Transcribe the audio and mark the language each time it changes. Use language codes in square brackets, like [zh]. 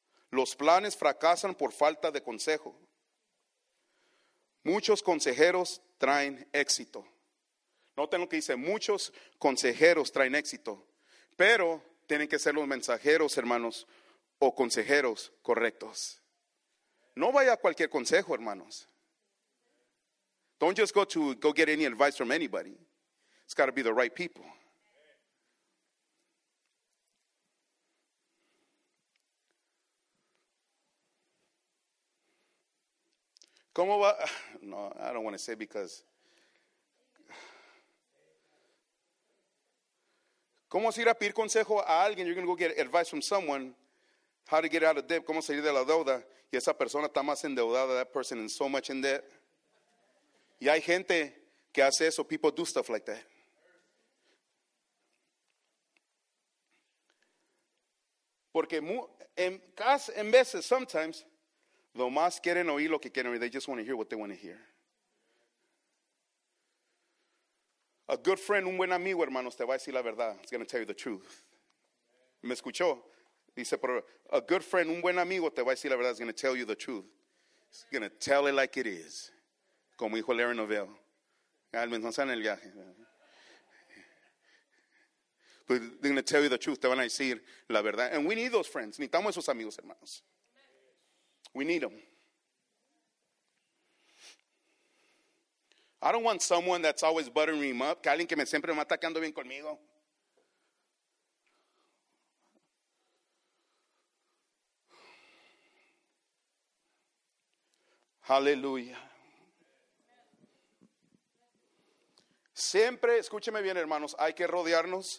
[es] Los planes fracasan por falta de consejo. Muchos consejeros traen éxito. Noten lo que dice, muchos consejeros traen éxito, pero tienen que ser los mensajeros, hermanos, o consejeros correctos. No vaya a cualquier consejo, hermanos. [en] Don't just go get any advice from anybody. It's got to be the right people. [es] ¿Cómo va? No, [en] I don't want to say because... [es] ¿Cómo se irá a pedir consejo a alguien? [en] You're going to go get advice from someone. How to get out of debt. [es] ¿Cómo salir de la deuda? Y esa persona está más endeudada. [en] That person is so much in debt. [es] Y hay gente que hace eso. [en] People do stuff like that. [es] Porque en veces, [en] sometimes, [es] lo más quieren oír lo que quieren oír. [en] They just want to hear [es] what they want to hear. [en] A good friend, [es] un buen amigo, hermanos, te va a decir la verdad. [en] It's going to tell you the truth. [es] ¿Me escuchó? Dice, pero [en] a good friend, [es] un buen amigo, te va a decir la verdad. [en] It's going to tell you the truth. It's going to tell it like it is. [es] Como dijo Larry Novell. Al menos en el viaje. [en] But they're going to tell you the truth. [es] Te van a decir la verdad. [en] And we need those friends. [es] Necesitamos esos amigos, hermanos. [en] We need them. I don't want someone that's always buttering him up. [es] Que alguien que me siempre me atacando bien conmigo. Hallelujah. Siempre, escúcheme bien, hermanos, hay que rodearnos.